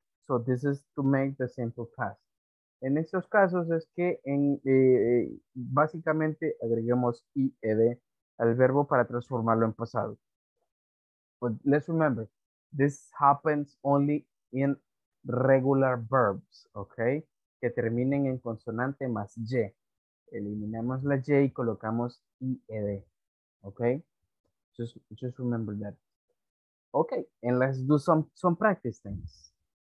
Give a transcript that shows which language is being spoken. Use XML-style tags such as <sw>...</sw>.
<en>So this is to make the simple past.</en> <es>En estos casos es que básicamente agreguemos ied al verbo para transformarlo en pasado.</es> <en>But let's remember, this happens only in regular verbs, okay?</en> <es>Que terminen en consonante más y. Eliminamos la y y colocamos ied, okay?</es> <en>Just remember that. Okay, and let's do some practice things.</en>